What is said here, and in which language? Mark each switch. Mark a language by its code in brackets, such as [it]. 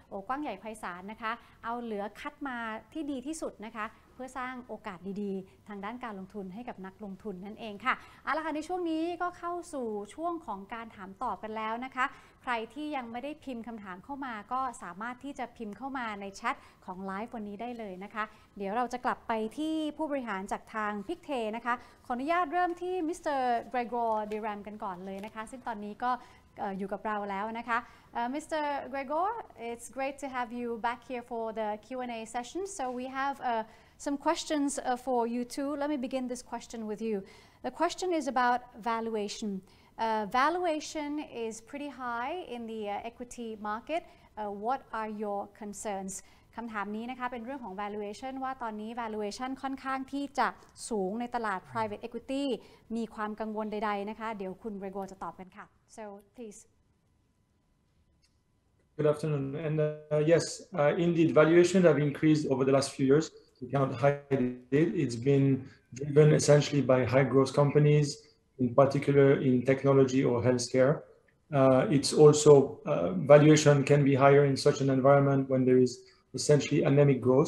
[th] กว้างใหญ่ไพศาลนะคะเอาเหลือคัดมาที่ดีที่สุดนะคะเพื่อสร้างโอกาสดีๆทางด้านการลงทุนให้กับนักลงทุนนั่นเองค่ะเอาละค่ะในช่วงนี้ก็เข้าสู่ช่วงของการถามตอบกันแล้วนะคะใครที่ยังไม่ได้พิมพ์คำถามเข้ามาก็สามารถที่จะพิมพ์เข้ามาในแชทของไลฟ์วันนี้ได้เลยนะคะเดี๋ยวเราจะกลับไปที่ผู้บริหารจากทางพิกเทนะคะขออนุญาตเริ่มที่มิสเตอร์เกรโกร ดิแรมกันก่อนเลยนะคะซึ่งตอนนี้ก็อยู่กับเราแล้วนะคะ Mr. [en] Gregor, it's great to have you back here for the Q&A session. So we have some questions for you too. Let me begin this question with you. The question is about valuation. Valuation is pretty high in the equity market. What are your concerns? [th] คำถามนี้นะคะเป็นเรื่องของ valuation ว่าตอนนี้ valuation ค่อนข้างที่จะสูงในตลาด private equity. มีความกังวลใดๆนะคะเดี๋ยวคุณ Gregor จะตอบกันค่ะ [en] So please. Good afternoon. And yes, indeed, valuations have increased over the last few years. You cannot hide it. It's been driven essentially by high growth companies, in particular in technology or healthcare. It's also, valuation can be higher in such an environment when there is essentially anemic growth.